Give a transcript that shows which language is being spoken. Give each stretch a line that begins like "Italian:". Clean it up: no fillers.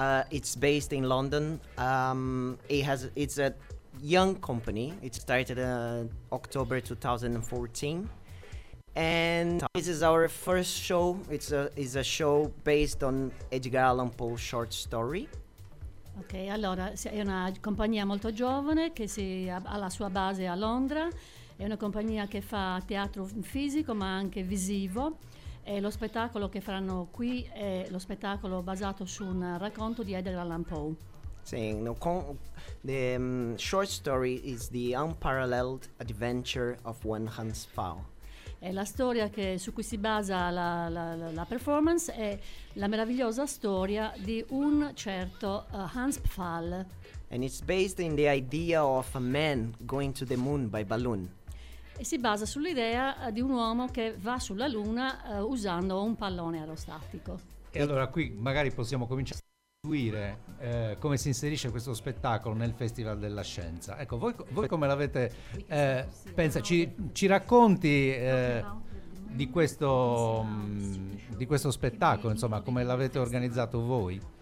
English: It's based in London. It's a young company. It started October 2014, and this is our first show. It's a show based on Edgar Allan Poe's short story.
Italian: Ok, allora è una compagnia molto giovane che ha la sua base a Londra, è una compagnia che fa teatro fisico ma anche visivo, e lo spettacolo che faranno qui è lo spettacolo basato su un racconto di Edgar Allan Poe.
English: Sì, the short story is The Unparalleled Adventure of One Hans Pao.
Italian: E la storia su cui si basa la performance è la meravigliosa storia di un certo Hans Pfahl.
English: And it's based in the idea of a man going to the moon by balloon.
Italian: E si basa sull'idea di un uomo che va sulla luna usando un pallone aerostatico. E allora qui magari possiamo cominciare a seguire come si inserisce questo spettacolo nel Festival della Scienza. Ecco, voi come l'avete pensato? Ci racconti di questo spettacolo, insomma, come l'avete organizzato voi?